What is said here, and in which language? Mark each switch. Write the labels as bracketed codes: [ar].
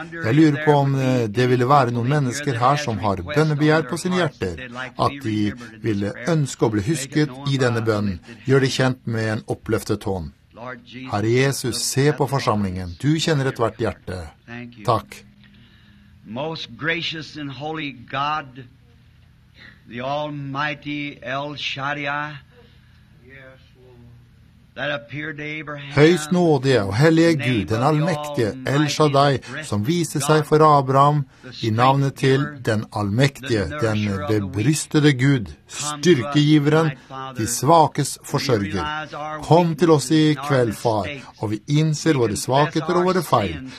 [no] Jeg lurer på om det ville være noen mennesker her som har bønnebegjær på sine hjerter, at de ville ønske å bli husket i denne bønnen. Gjør det kjent med en oppløftet hånd. Herre Jesus, se på forsamlingen. Du kjenner et hvert hjerte. Takk. [en] Most gracious and holy God, the Almighty El Shaddai, that appeared to Abraham. [no] Høyst nådige og hellige Gud, den allmektige El Shaddai, som viste seg for Abraham i navnet til den allmektige, den bebrystede Gud, styrkegiveren, de svakes forsørger. Kom til oss i kveld, far, og vi innser våre svakheter og våre feil.